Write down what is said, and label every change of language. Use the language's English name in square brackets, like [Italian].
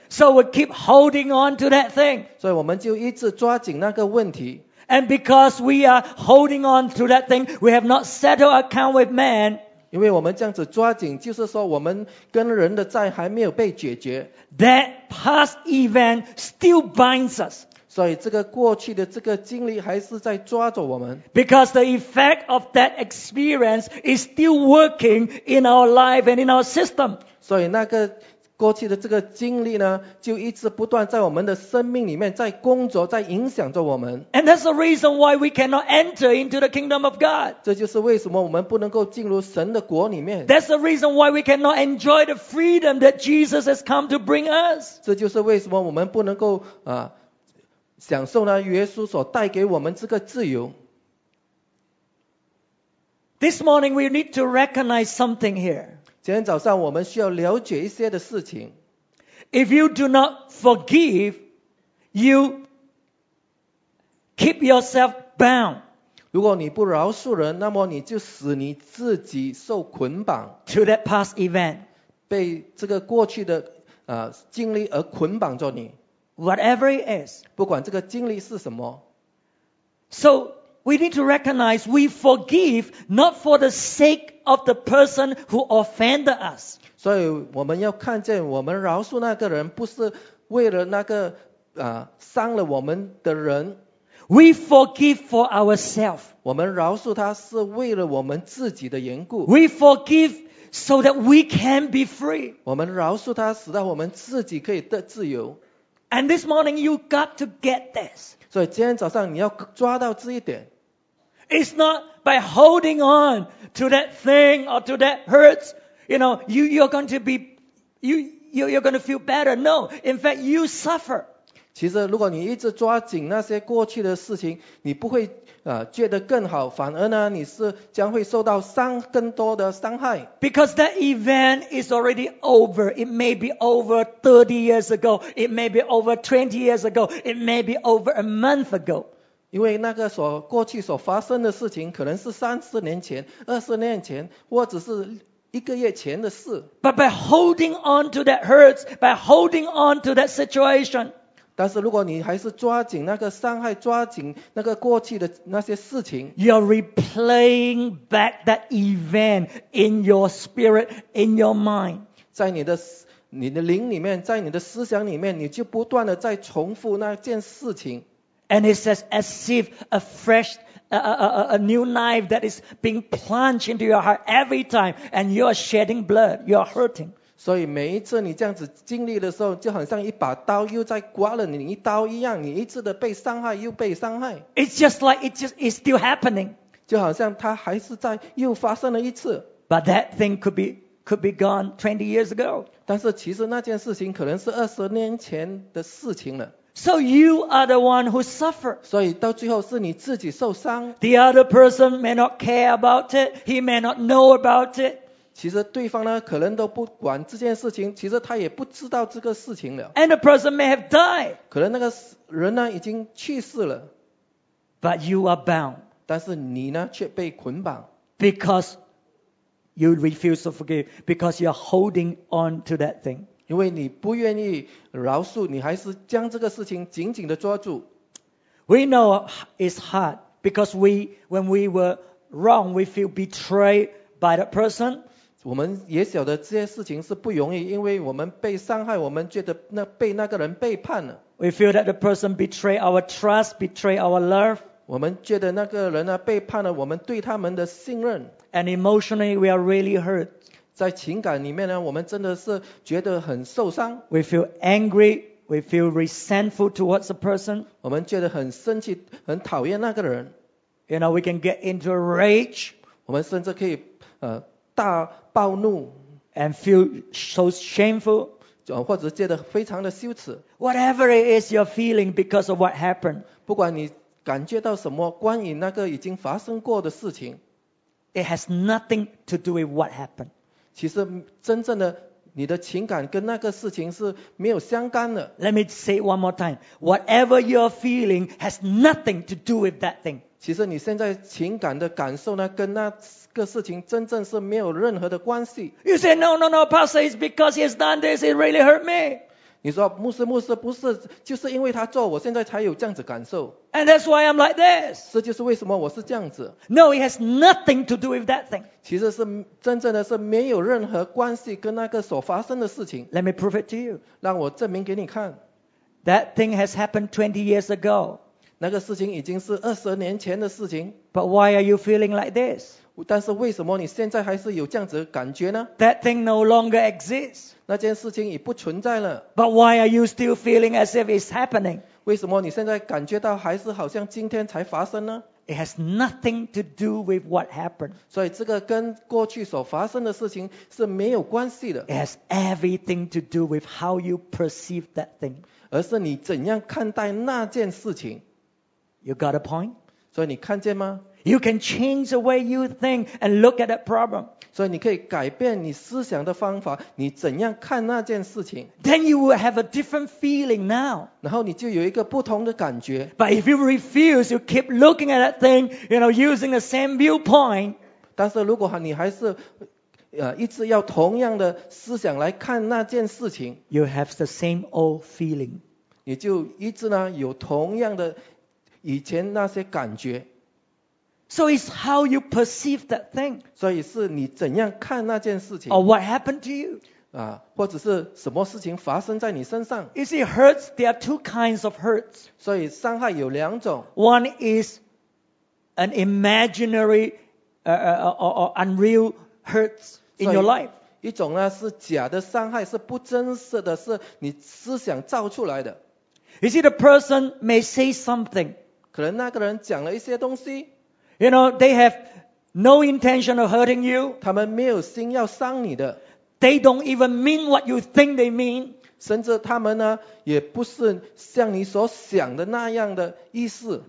[English] So we keep holding on to that thing. [Chinese] 所以我们就一直抓紧那个问题。 [English] And because we are holding on to that thing, we have not settled account with man. [Chinese] 因为我们这样子抓紧，就是说我们跟人的债还没有被解决。 [English] That past event still binds us. [Chinese] 所以这个过去的这个经历还是在抓着我们。 [English] Because the effect of that experience is still working in our life and in our system. [Chinese] 所以那个过去的这个经历呢，就一直不断在我们的生命里面，在工作，在影响着我们。 [English] And that's the reason why we cannot enter into the kingdom of God. [Chinese] 这就是为什么我们不能够进入神的国里面。 [English] That's the reason why we cannot enjoy the freedom that Jesus has come to bring us. [Chinese] 这就是为什么我们不能够享受呢耶稣所带给我们这个自由。 [English] This morning we need to recognize something here. [Chinese] 今天早上我们需要了解一些的事情。 [English] If you do not forgive, you keep yourself bound. [Chinese] 如果你不饶恕人，那么你就使你自己受捆绑。 [English] To that past event. [Chinese] 被这个过去的经历而捆绑着你。 [English] Whatever it is. [Chinese] 不管这个经历是什么。 [English] So,We need to recognize we forgive not for the sake of the person who offended us. [Chinese] 所以我们要看见我们饶恕那个人不是为了那个伤了我们的人。 [English] We forgive for ourselves. [Chinese] 我们饶恕他是为了我们自己的缘故。 [English] We forgive so that we can be free. [Chinese] 我们饶恕他使到我们自己可以得自由。 [English] And this morning you got to get this. [Chinese] 所以今天早上你要抓到这一点。 [English] It's not by holding on to that thing or to that hurts, you know, you're going to feel better. No, in fact, you suffer. [Chinese] 其实如果你一直抓紧那些过去的事情，你不会觉得更好，反而呢，你是将会受到更多的伤害。 [English] Because that event is already over. It may be over 30 years ago. It may be over 20 years ago. It may be over a month ago. [Chinese] 因为那个过去所发生的事情，可能是30年前、20年前，或者是一个月前的事。 [English] But by holding on to that hurts, by holding on to that situation. [Chinese] 但是如果你还是抓紧那个伤害，抓紧那个过去的那些事情， [English] You're replaying back that event in your spirit, in your mind. [Chinese] 在你的灵里面，在你的思想里面，你就不断的在重复那件事情。 [English] And it's as if a fresh, a new knife that is being plunged into your heart every time, and you're shedding blood, you're hurting. [Chinese] 所以每一次你这样子经历的时候，就很像一把刀又在刮了你一刀一样，你一次的被伤害又被伤害。 [English] It's just like it's still happening. [Chinese] 就好像它还是在又发生了一次。 [English] But that thing could be gone 20 years ago. [Chinese] 但是其实那件事情可能是二十年前的事情了。 [English] So you are the one who suffer. [Chinese] 所以到最后是你自己受伤。 [English] The other person may not care about it. He may not know about it. [Chinese] 其实对方呢可能都不管这件事情，其实他也不知道这个事情了。 [English] And the person may have died. [Chinese] 可能那个人呢已经去世了。 [English] But you are bound. [Chinese] 但是你呢却被捆绑。 [English] Because you refuse to forgive. Because you are holding on to that thing. [Chinese] 因为你不愿意饶恕，你还是将这个事情紧紧地抓住。 [English] We know it's hard. Because when we were wrong, we feel betrayed by that person. [Chinese] 我们也晓得这些事情是不容易，因为我们被伤害，我们觉得那被那个人背叛了。 [English] We feel that the person betray our trust, betray our love. [Chinese] 我们觉得那个人呢背叛了我们对他们的信任。 [English] And emotionally, we are really hurt. [Chinese] 在情感里面呢，我们真的是觉得很受伤。 [English] We feel angry, we feel resentful towards the person. [Chinese] 我们觉得很生气，很讨厌那个人。 [English] You know, we can get into a rage. [Chinese] 我们甚至可以大暴怒 [English] and feel so shameful, [Chinese] 或者觉得非常的羞耻 [English] whatever it is you're feeling because of what happened, [Chinese] 不管你感觉到什么关于那个已经发生过的事情 [English] it has nothing to do with what happened. [Chinese] 其实真正的你的情感跟那个事情是没有相干的 [English] Let me say it one more time. Whatever you're feeling has nothing to do with that thing. [Chinese] 其实你现在情感的感受呢，跟那个事情真正是没有任何的关系。 [English] You say no, no, no, Pastor, it's because he's done this, it really hurt me. [Chinese] 你说牧师，牧师不是，就是因为他做，我现在才有这样子感受。 [English] And that's why I'm like this. [Chinese] 这就是为什么我是这样子。 [English] No, it has nothing to do with that thing. [Chinese] 其实是真正的是没有任何关系跟那个所发生的事情。 [English] Let me prove it to you. [Chinese] 让我证明给你看。 [English] That thing has happened 20 years ago. [Chinese] 那个事情已经是二十年前的事情。 [English] But why are you feeling like this? [Chinese] 但是为什么你现在还是有这样子的感觉呢？ [English] That thing no longer exists. [Chinese] 那件事情已不存在了。 [English] But why are you still feeling as if it's happening? [Chinese] 为什么你现在感觉到还是好像今天才发生呢？ [English] It has nothing to do with what happened. [Chinese] 所以这个跟过去所发生的事情是没有关系的。 [English] It has everything to do with how you perceive that thing. [Chinese] 而是你怎样看待那件事情。 [English] You got a point? [Chinese] 所以你看见吗? [English] You can change the way you think and look at that problem. [Chinese] 所以你可以改变你思想的方法,你怎样看那件事情? [English] Then you will have a different feeling now. [Chinese] 然后你就有一个不同的感觉。 [English] But if you refuse, you keep looking at that thing, you know, using the same viewpoint. [Chinese] 但是如果你还是一直要同样的思想来看那件事情, [English] you have the same old feeling. [Chinese] 你就一直呢有同样的以前那些感觉。 [English] So it's how you perceive that thing. [Chinese] 所以是你怎样看那件事情。 [English] Or what happened to you? [Chinese] 或者是什么事情发生在你身上。 [English] You see, hurts, there are two kinds of hurts. [Chinese] 所以伤害有两种。 [English] One is an imaginary, or unreal hurts in your life. [Chinese] 一种呢是假的伤害，是不真实的，是你思想造出来的。 [English] You see, the person may say something. [Chinese] 可能那个人讲了一些东西 [English] You know, they have no intention of hurting you. [Chinese] 他们没有心要伤你的。 [English] They don't even mean what you think they mean. [Chinese] 甚至他们呢，也不是像你所想的那样的意思。